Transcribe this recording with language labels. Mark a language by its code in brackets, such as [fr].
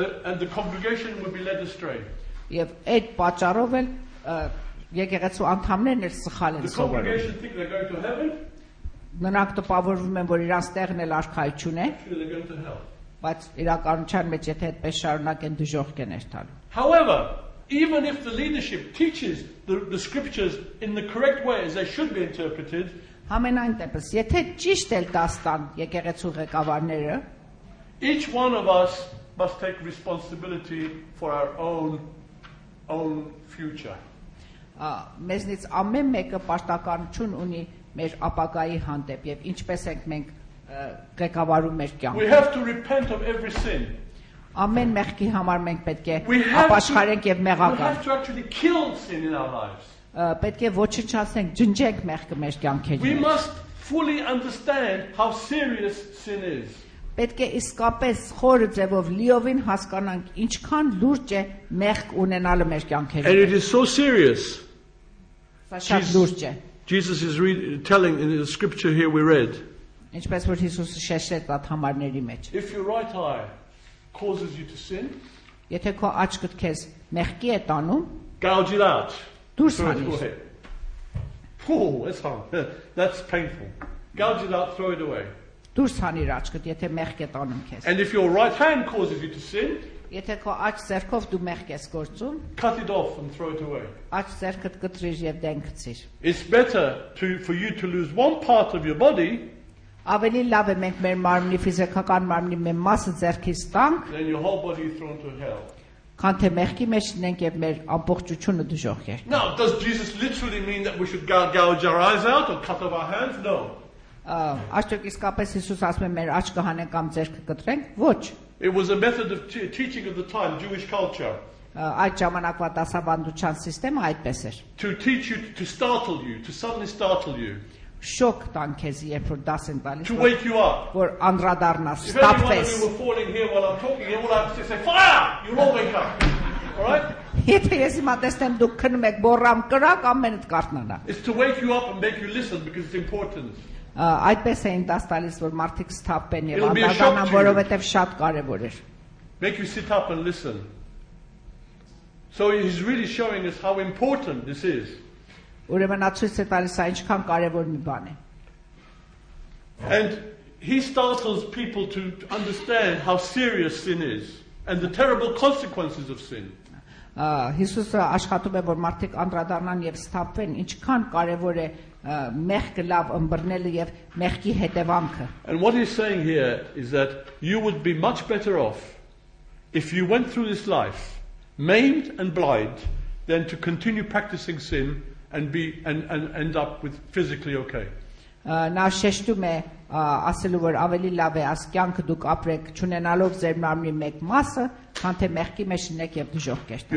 [en] and the congregation would be led astray. [hy] Եվ այդ պատճառով էլ եկեղեցու անդամներն էլ սխալ են սովորում. [en] The congregation think they're going to heaven. [hy] Նրանք տպավորվում են, որ իրանց տեղն էլ արքայություն է, բայց իրականության մեջ, եթե այդպես շարունակեն, դժոխք են ներթալում. [en] However, even if the leadership teaches the scriptures in the correct way as they should be interpreted, [hy] համենայն դեպս, եթե ճիշտ էլ դաստան եկեղեցու ղեկավարները, [en] each one of us must take responsibility for our own future. [hy] Մեզնից ամեն մեկը պարտականություն ունի մեր ապագայի հանդեպ եւ ինչպես ենք մենք ղեկավարում մեր կյանքը. [en] We have to repent of every sin. [hy] Ամեն մեղքի համար մենք պետք է ապաշխարենք եւ մեղակալ։ [en] We have to actually kill sin in our lives. [hy] Պետք է ոչնչացնենք, ջնջենք մեղքը մեր կյանքերին։ [en] We must fully understand how serious sin is. [hy] Պետք է իսկապես խորը ձևով լիովին հասկանանք, ինչքան լուրջ է մեղք ունենալը մեր կյանքերին։ [en] And it is so serious. [hy] Սա շատ լուրջ է։ [en] Jesus is telling in the scripture here we read. [hy] Ինչպես որ Հիսուսը շեշտեց այդ համարների մեջ. [en] If your right eye causes you to sin, [hy] եթե քո աչքդ քեզ մեղքի է տանում, [en] gouge it out. [hy] Դուրս հանիր։ [en] That's hard. That's painful. Gouge it out, throw it away. [hy] Դուրս հանիր աչքդ, եթե մեղք է տանում քեզ։ [en] And if your right hand causes you to sin, [hy] եթե քո աչք ձեռքով դու մեղք ես գործում, [en] cut it off and throw it away. [hy] Աչք ձեռքդ կտրիր եւ դեն գցիր։ [en] It's better for you to lose one part of your body. [hy] Ավելի լավ է մենք մեր մարմնի ֆիզիկական մարմնի մեծ մասը ձեռքից տանք, [en] then your whole body thrown to hell. [hy] Քան թե մեղքի մեջ ենք եւ մեր ամբողջությունը դժոխք է։ [en] Now, does Jesus literally mean that we should gouge our eyes out or cut off our hands? No. [hy] Աշխատ իսկապես Հիսուս ասում է մեր աչքը հանենք կամ ձեռքը կտրենք։ Ոչ. [en] It was a method of teaching of the time, Jewish culture. [hy] Այդ ժամանակվա դասավանդության համակարգը այդպես էր. [en] To teach you, to startle you, to suddenly startle you. [hy] Շոկ տան քեզ, երբ որ դաս են տալիս, [en] to wake you up. [hy] Որ անդրադառնաս, ստապես. [en] You were falling here while I'm talking, you all have to say, fire! You all wake up. Alright? [hy] Եթե ես հիմա տեսնեմ դուք քնում եք բորամ կրակ, ամենդ կարթնանա. [en] It's to wake you up and make you listen because it's important. [hy] Այդպես էին դաս տալիս, որ մարդիկ սթափեն եւ անդադարնան, որովհետեւ շատ կարեւոր էր. [en] Make you sit up and listen. So he's really showing us how important this is. [hy] Ուրեմն ացույց է տալիս, այնչքան կարեւոր մի բան է. [en] And he startles people to understand how serious sin is and the terrible consequences of sin. [hy] Հիսուսը աշխատում է, որ մարդիկ անդրադառնան եւ սթափեն, ինչքան կարեւոր է մեղքը լավ ըմբռնելը եւ մեղքի հետևանքը։ [en] And what he's saying here is that you would be much better off if you went through this life maimed and blind than to continue practicing sin and end up with physically okay. [hy] Նա շեշտում է ասելու, որ ավելի լավ է աս կյանքը դուք ապրեք չունենալով ձեր մարմնի մեկ մասը, քան թե մեղքի մեջ ընեք եւ դժոխք եք։